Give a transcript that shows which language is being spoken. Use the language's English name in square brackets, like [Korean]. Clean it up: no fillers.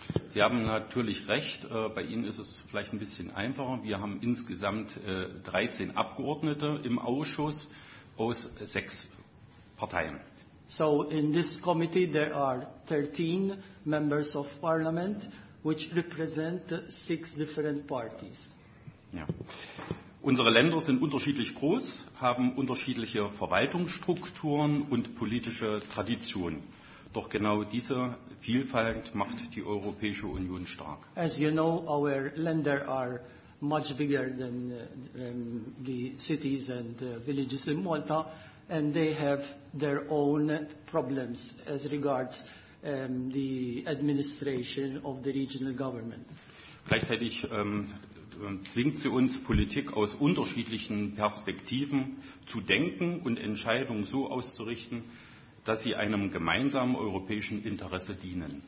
[German] Sie haben natürlich recht, bei Ihnen ist es vielleicht ein bisschen einfacher. Wir haben insgesamt 13 Abgeordnete im Ausschuss aus 6 Parteien. [English] So in this committee there are 13 members of parliament which represent 6 different parties. [German] Ja. Unsere Länder sind unterschiedlich groß, haben unterschiedliche Verwaltungsstrukturen und politische Traditionen. Doch genau diese Vielfalt macht die Europäische Union stark. [English] As you know, our Länder are much bigger than the cities and villages in Malta. And they have their own problems as regards the administration of the regional government. [German] Gleichzeitig zwingt sie uns, Politik aus unterschiedlichen Perspektiven zu denken und Entscheidungen so auszurichten, dass sie einem gemeinsamen europäischen Interesse dienen.